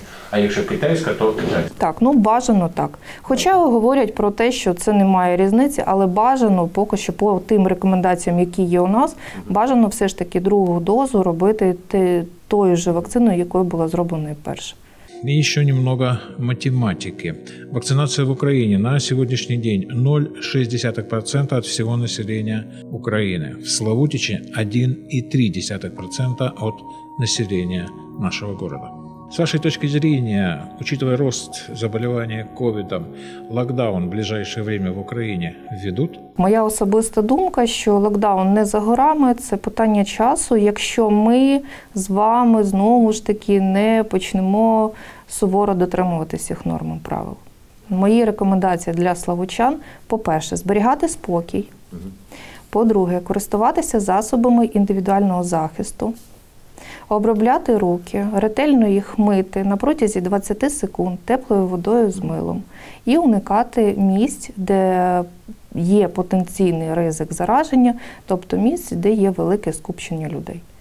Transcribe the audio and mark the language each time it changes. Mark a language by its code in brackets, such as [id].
[uk] А якщо китайська, то китайська? Так, бажано так. Хоча говорять про те, що це не має різниці, але бажано поки що по тим рекомендаціям, які є у нас, бажано все ж таки другу дозу робити тою же вакциною, якою була зроблена перша. [ru] И еще немного математики. Вакцинация в Украине на сегодняшний день 0,6% от всего населения Украины. В Славутичи 1,3% от населения нашего города. С вашей точки зрения, учитывая рост заболевания ковидом, локдаун в ближайшее время в Украине введут? [uk] Моя особиста думка, що локдаун не за горами, це питання часу, якщо ми з вами знову ж таки не почнемо суворо дотримуватися всіх норм і правил. Мої рекомендації для славучан – по-перше, зберігати спокій, по-друге, користуватися засобами індивідуального захисту, обробляти руки, ретельно їх мити на протязі 20 секунд теплою водою з милом і уникати місць, де є потенційний ризик зараження, тобто місць, де є велике скупчення людей.